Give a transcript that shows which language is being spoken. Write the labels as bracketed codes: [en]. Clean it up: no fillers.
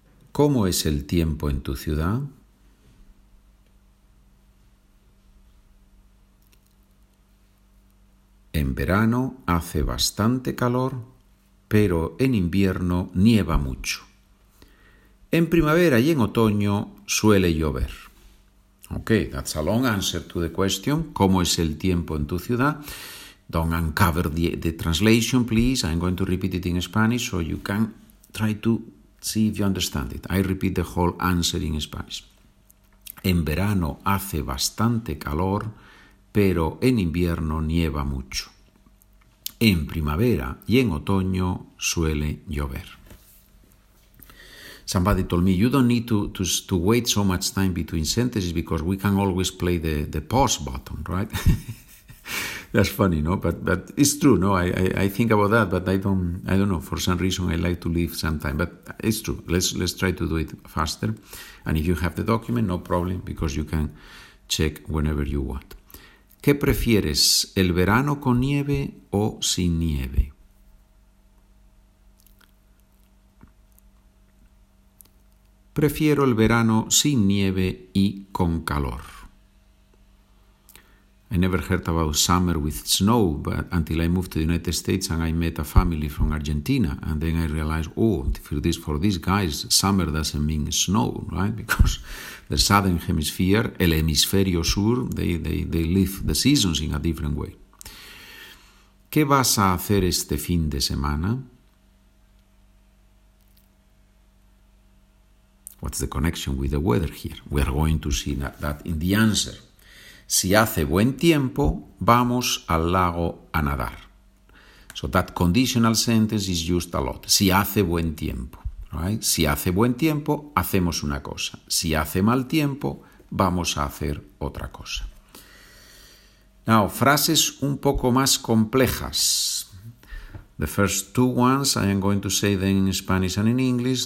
[es] ¿Cómo es el tiempo en tu ciudad? En verano hace bastante calor, pero en invierno nieva mucho. En primavera y en otoño suele llover. [en] Okay, that's a long answer to the question. [es] ¿Cómo es el tiempo en tu ciudad? [en] Don't uncover the translation, please. I'm going to repeat it in Spanish so you can try to see if you understand it. I repeat the whole answer in Spanish. [es] En verano hace bastante calor, pero en invierno nieva mucho. En primavera y en otoño suele llover. [en] Somebody told me, you don't need to wait so much time between sentences because we can always play the pause button, right? That's funny, no? But it's true, no? I think about that, but I don't know. For some reason, I like to leave some time, but it's true. Let's try to do it faster. And if you have the document, no problem, because you can check whenever you want. [es] ¿Qué prefieres, el verano con nieve o sin nieve? Prefiero el verano sin nieve y con calor. [en] I never heard about summer with snow, but until I moved to the United States and I met a family from Argentina, and then I realized, oh, for these guys, summer doesn't mean snow, right? Because the southern hemisphere, [es] el hemisferio sur, [en] they live the seasons in a different way. [es] ¿Qué vas a hacer este fin de semana? [en] What's the connection with the weather here? We are going to see that in the answer. [es] Si hace buen tiempo, vamos al lago a nadar. [en] So that conditional sentence is used a lot. [es] Si hace buen tiempo, right? Si hace buen tiempo, hacemos una cosa. Si hace mal tiempo, vamos a hacer otra cosa. Now, frases un poco más complejas. [en] The first two ones I am going to say them in Spanish and in English.